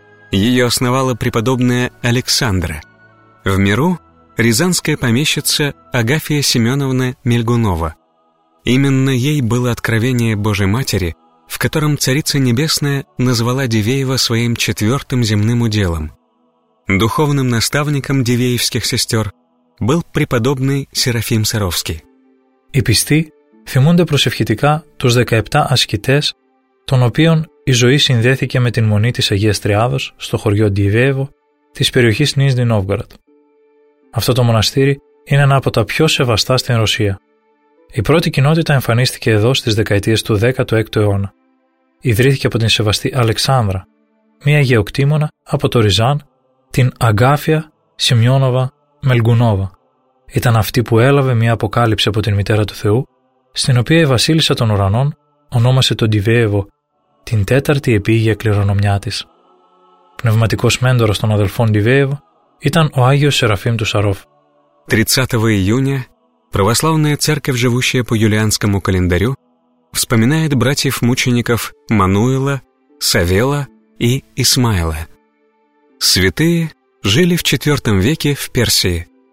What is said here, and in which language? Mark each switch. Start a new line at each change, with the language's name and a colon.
Russian: Ее основала преподобная Александра. В миру – рязанская помещица Агафья Семеновна Мельгунова. Именно ей было откровение Божьей Матери, в котором Царица Небесная назвала Дивеево своим четвертым земным уделом. Духовным наставником дивеевских сестер был преподобный Серафим Саровский.
Greek: Οι πιστοί θυμούνται προσευχητικά τους 17 ασκητές, των οποίων η ζωή συνδέθηκε με την μονή της Αγίας Τριάδος στο χωριό Ντιβέεβο της περιοχής Νίζνη Νόβγαρατ. Αυτό το μοναστήρι είναι ένα από τα πιο σεβαστά στην Ρωσία. Η πρώτη κοινότητα εμφανίστηκε εδώ στις δεκαετίες του 16ου αιώνα. Ιδρύθηκε από την σεβαστή Αλεξάνδρα, μία γεωκτήμονα από το Ριζάν, την Αγκάφια Σημιόνοβα Μελγκουνόβα. Ήταν αυτή που έλαβε μια αποκάλυψη από την Μητέρα του Θεού, στην οποία η Βασίλισσα των Ουρανών ονόμασε τον Ντιβέεβο την τέταρτη επίγεια κληρονομιά της. Πνευματικός μέντορας των αδελφών Ντιβέεβο ήταν ο Άγιος Σεραφείμ του Σαρόφ.
Russian: 30 июня православная церковь, живущая по юлианскому календарю, вспоминает братьев-мучеников Мануила, Савела и Исмаила. Святые жили в 4 веке в Персии.